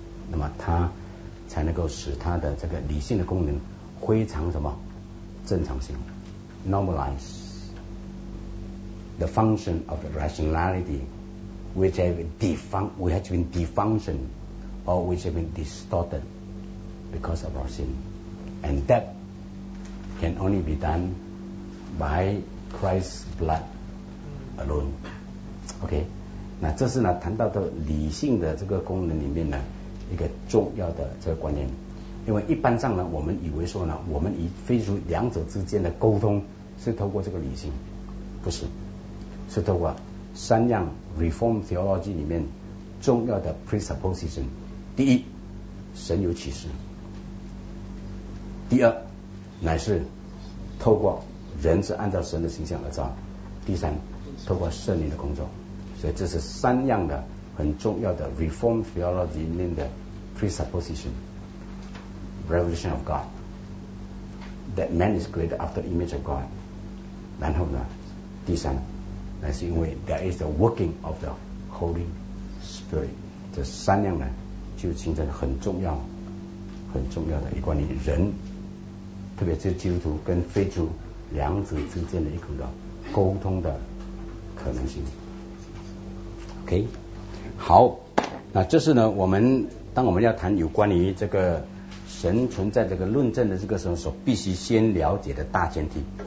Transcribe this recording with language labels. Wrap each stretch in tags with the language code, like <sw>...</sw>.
<zh>那么他才能够使他的这个理性的功能非常什么正常性</zh> <en>normalize the function of the rationalityWhich have been defunctioned or which have been distorted because of our sin. And that can only be done by Christ's blood alone.</en> <zh>OK, 那这是呢谈到的理性的这个功能里面呢一个重要的这个观念。因为一般上呢我们以为说呢我们以非如两者之间的沟通是透过这个理性，不是，是透过三样Reform theology 里面重要的 presupposition。第一，神有启示；第二，乃是透过人是按照神的形象而造；第三，透过圣灵的工作。所以这是三样的很重要的 Reform theology 里面的 presupposition。</zh> <en>Revelation of God that man is created after the image of God，</en> <zh>然后呢第三，那是因为</zh> <en>there is the working of the Holy Spirit。</en> <zh>这三样呢就形成很重要很重要的一关于人，特别是基督徒跟非基督两者之间的一个沟通的可能性。 OK， 好，那这是呢我们当我们要谈有关于这个神存在这个论证的这个时候所必须先了解的大前提。</zh>